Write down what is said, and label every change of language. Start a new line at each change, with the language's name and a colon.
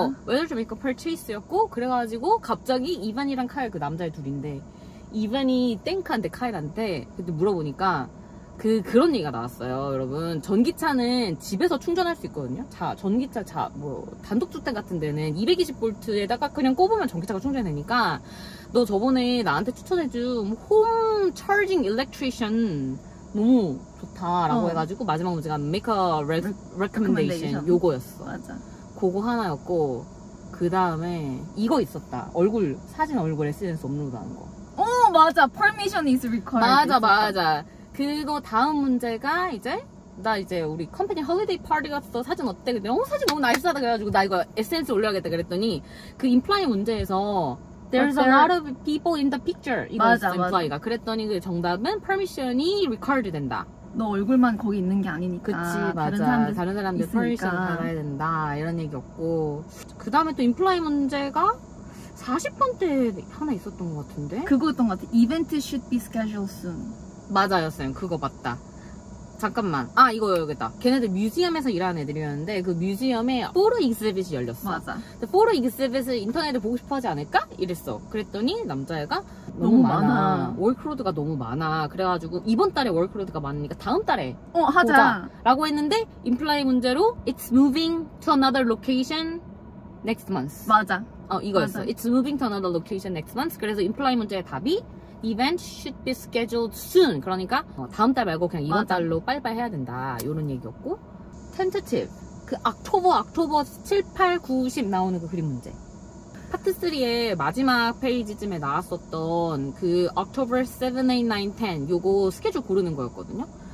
English: whether to make a purchase였고
Korean: 그래가지고 갑자기 이반이랑 카일 그 남자의 둘인데 이반이 땡크한테 카일한테 그때 물어보니까 그런 얘기가 나왔어요 여러분 전기차는 집에서 충전할 수 있거든요 전기차 단독주택 같은 데는 220V에다가 그냥 꼽으면 전기차가 충전되니까 너 저번에 나한테 추천해준 홈 차징 일렉트리션 너무 좋다라고 해가지고 마지막 문제가
English: make a recommendation
Korean: 요거였어 맞아 그거 하나였고 그 다음에 이거 있었다 얼굴 사진 얼굴 SNS 업로드하는 거
English: 오 맞아 permission is required
Korean: 맞아 그거 다음 문제가 이제 나 이제 우리 컴퍼니 홀리데이 파티 갔어 사진 어때? 근데 어 사진 너무 나이스하다 그래가지고 나 이거 SNS 올려야겠다 그랬더니 그 임플라이 문제에서
English: There's a lot of people in the picture
Korean: 이거였어 임플라이가 그랬더니 그 정답은 permission이 required 된다 너 얼굴만 거기 있는 게 아니니까. 그치, 맞아. 다른 사람들 퍼미션 받아야 된다. 이런 얘기였고. 그 다음에 또 임플라이 문제가 40번 때 하나 있었던 것 같은데? 그거였던 것 같아.
English: Event should be scheduled soon.
Korean: 맞아요, 쌤. 그거 맞다. 잠깐만. 아, 이거 여기다. 걔네들 뮤지엄에서 일하는 애들이었는데, 그 뮤지엄에 포로 익스비트 열렸어. 맞아. 근데 포로 익스비트 인터넷을 보고 싶어 하지 않을까? 이랬어. 그랬더니 남자애가 너무 많아. 월크로드가 너무 많아. 그래가지고 이번 달에 월크로드가 많으니까 다음 달에 하자. 라고 했는데, 임플라이 문제로
English: It's moving to another location next month.
Korean: 맞아. 이거였어. 맞아.
English: It's moving to another location next month.
Korean: 그래서 임플라이 문제의 답이
English: Event should be scheduled soon.
Korean: 그러니까 다음 달 말고 그냥 이번 맞아. 달로 빨리빨리 해야 된다. 이런 얘기였고. Tentative. 그 October 7, 8, 9, 10 나오는 그 그림 문제. 파트 3의 마지막 페이지쯤에 나왔었던 그 October 7, 8, 9, 10 요거 스케줄 고르는 거였거든요.